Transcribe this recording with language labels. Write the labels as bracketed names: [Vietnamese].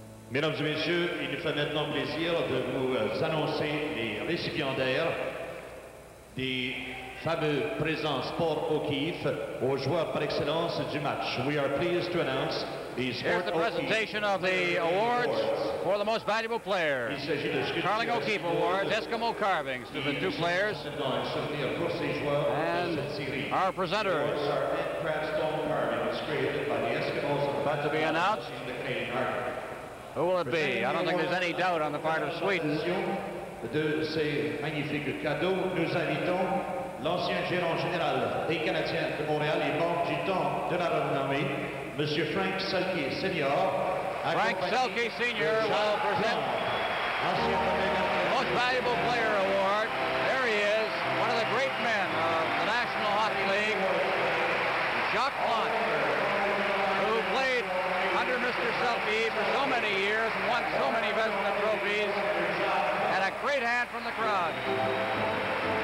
[French] Mesdames et messieurs, il nous fait maintenant plaisir de vous annoncer les récipiendaires des fameux présents Sport O'Keefe aux joueurs par excellence du match. [English] We are pleased to announce the Sport O'Keefe. Here's the presentation of the awards for the most valuable player. Carling O'Keefe Awards, Eskimo Carvings to the two players. And our presenters. About to be announced. Who will it be? I don't think there's any doubt on the part of Sweden. [French] De ces magnifiques cadeaux, nous invitons l'ancien gérant général des Canadiens de Montréal et membre du temps de la renommée, Monsieur Frank Selke Senior. [English] Frank Selke Senior will present the most valuable player award. There he is, one of the great men of the National Hockey League, Jacques Plante, who played under Mr. Selke for so many years and won so many Vezina trophies, and a great hand from the crowd.